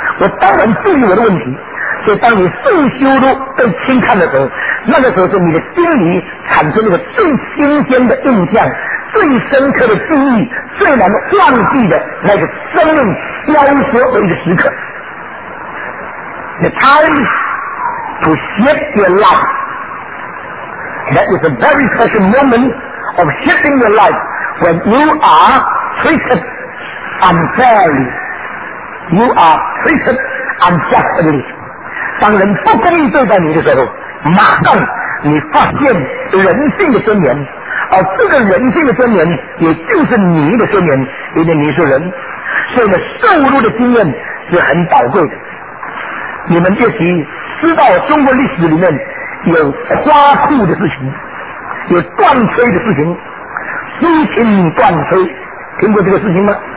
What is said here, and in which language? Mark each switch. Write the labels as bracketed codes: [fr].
[zh] 我当然注意我的问题。所以当你受羞辱被轻看的时候，那个时候是你的心里产生那个最新鲜的印象，最深刻的记忆，最难忘记的那个生命凋谢的一个时刻。 [en] The time to shift your life. That is a very special moment of shifting your life when you are treated unfairly. You are treated unjustly. [zh] 当人不公义对待你的时候，马上你发现人性的尊严。而这个人性的尊严也就是你的尊严，因为你是人。所以呢，受辱的经验是很宝贵的。你们也许知道中国历史里面有夸父的事情，有断炊的事情，苏秦断炊，听过这个事情吗？